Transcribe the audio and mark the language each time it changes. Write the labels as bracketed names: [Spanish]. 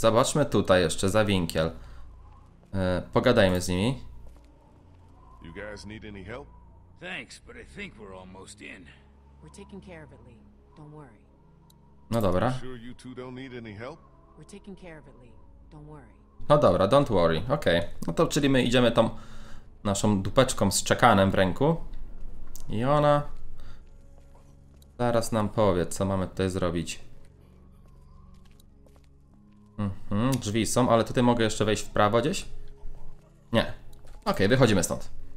[Polish] Zobaczmy tutaj jeszcze za winkiel. Pogadajmy z nimi. [English] You guys need any help? Thanks, but I think we're almost in. We're taking care of it, Lee. Don't worry. [Polish] No dobra. [English] Sure you two don't need any help? We're taking care of it, Lee. Don't worry. [Polish] No dobra, [English] don't worry. [Polish] Okej. Okay. No to czyli my idziemy tą naszą dupeczką z czekanem w ręku. I ona zaraz nam powie, co mamy tutaj zrobić. Drzwi są, ale tutaj mogę jeszcze wejść w prawo gdzieś? Nie. Okej, wychodzimy stąd.